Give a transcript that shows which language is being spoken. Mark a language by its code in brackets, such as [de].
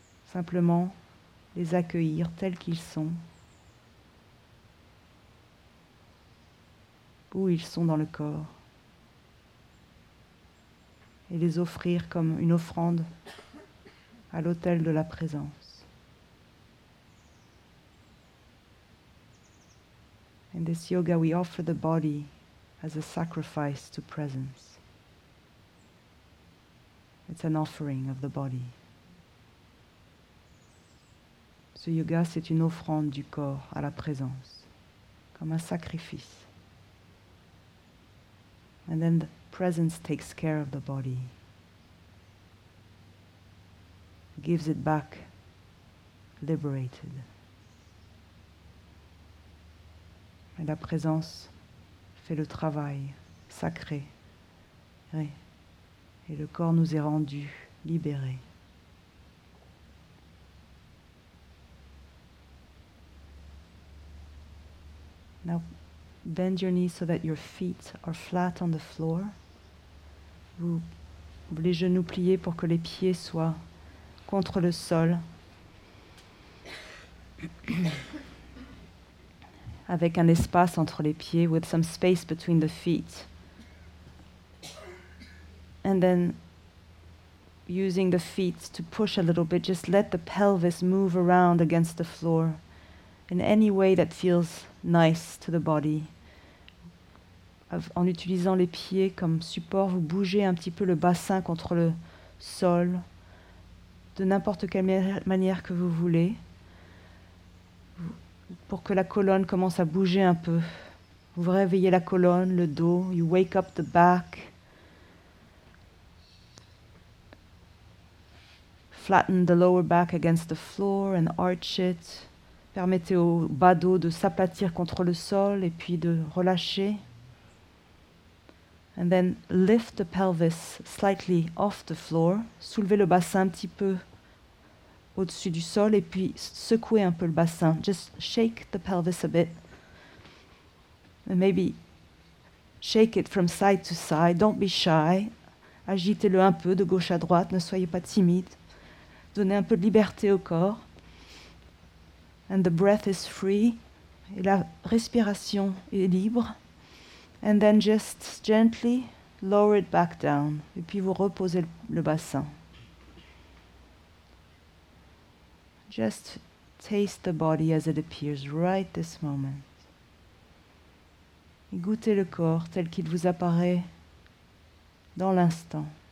[fr] Simplement les accueillir tels qu'ils sont. Où ils sont dans le corps, et les offrir comme une offrande à l'autel de la présence. [en] In this yoga, we offer the body as a sacrifice to presence. It's an offering of the body. [fr] Ce yoga, c'est une offrande du corps à la présence, comme un sacrifice. [en] And then the presence takes care of the body, gives it back, liberated. [fr] Et la présence fait le travail sacré, et le corps nous est rendu libéré. [en] Now, bend your knees so that your feet are flat on the floor. [fr] Vous les genoux pliés pour que les pieds soient contre le sol. Avec un espace entre les pieds, [en] with some space between the feet. And then using the feet to push a little bit, just let the pelvis move around against the floor in any way that feels nice to the body. [fr] En utilisant les pieds comme support, vous bougez un petit peu le bassin contre le sol de n'importe quelle manière que vous voulez pour que la colonne commence à bouger un peu. Vous réveillez la colonne, le dos, [en] you wake up the back. Flatten the lower back against the floor and arch it. [fr] Permettez au bas dos de s'aplatir contre le sol et puis de relâcher. [en] And then lift the pelvis slightly off the floor. [fr] Soulevez le bassin un petit peu au-dessus du sol et puis secouez un peu le bassin. [en] Just shake the pelvis a bit. And maybe shake it from side to side. Don't be shy. [fr] Agitez-le un peu de gauche à droite. Ne soyez pas timide. Donnez un peu de liberté au corps. [en] And the breath is free. [fr] Et la respiration est libre. [en] And then just gently lower it back down. [fr] Et puis vous reposez le bassin. [en] Just taste the body as it appears right this moment. [fr] Et goûtez le corps tel qu'il vous apparaît dans l'instant.